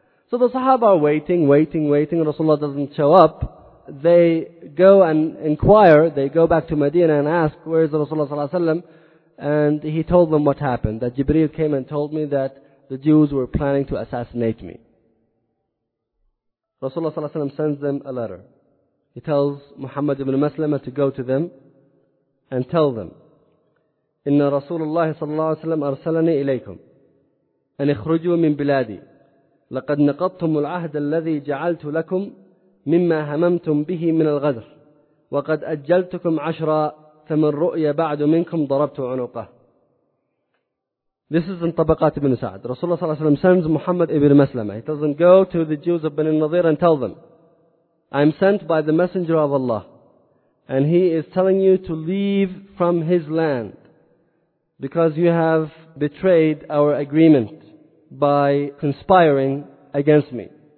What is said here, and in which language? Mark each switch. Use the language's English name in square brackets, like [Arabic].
[English] So the Sahaba are waiting. Rasulullah doesn't show up. They go and inquire. They go back to Medina and ask, where is Rasulullah sallallahu alayhi wa sallam? And he told them what happened. That Jibreel came and told me that the Jews were planning to assassinate me. Rasulullah sallallahu alayhi wa sallam sends them a letter. He tells Muhammad ibn Maslama to go to them and tell them, [Arabic] إِنَّ رَسُولُ اللَّهِ صَلَّى اللَّهُ عَلَيْهِ وَسَلَّمَ أَرْسَلَنِي إِلَيْكُمْ أن اخرجوا من بلادي لقد نقضتم العهد الذي جعلت لكم مما هممتم به من الغدر وقد أجلتكم عشرة فمن رؤيا بعد منكم ضربت عنقه. [English] This is in طبقات ابن سعد. Rasulullah صلى الله عليه وسلم sends Muhammad ibn Maslama. He tells him, go to the Jews of Bani Nadir and tell them, I'm sent by the Messenger of Allah, and he is telling you to leave from his land because you have betrayed our agreement by conspiring against me.